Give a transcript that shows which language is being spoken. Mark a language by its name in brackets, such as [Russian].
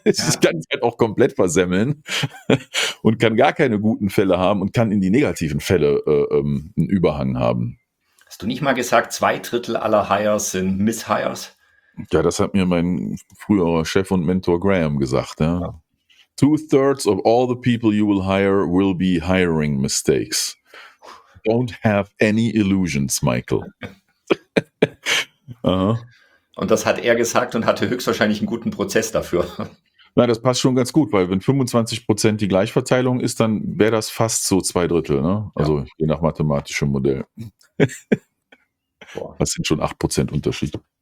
[German] Ich kann es halt auch komplett versemmeln und kann gar keine guten Fälle haben und kann in die negativen Fälle einen Überhang haben. Hast du nicht mal gesagt, 2/3 aller Hires sind Miss-Hires? Ja, das hat mir mein früherer Chef und Mentor Graham gesagt. Ja. Ja. [English] 2/3 of all the people you will hire will be hiring mistakes. Don't have any illusions, Michael. Uh-huh. [German] Und das hat er gesagt und hatte höchstwahrscheinlich einen guten Prozess dafür. Na, das passt schon ganz gut, weil wenn 25% die Gleichverteilung ist, dann wäre das fast so 2/3. Ne? Also je nach mathematischem Modell. Das sind schon 8% Unterschied.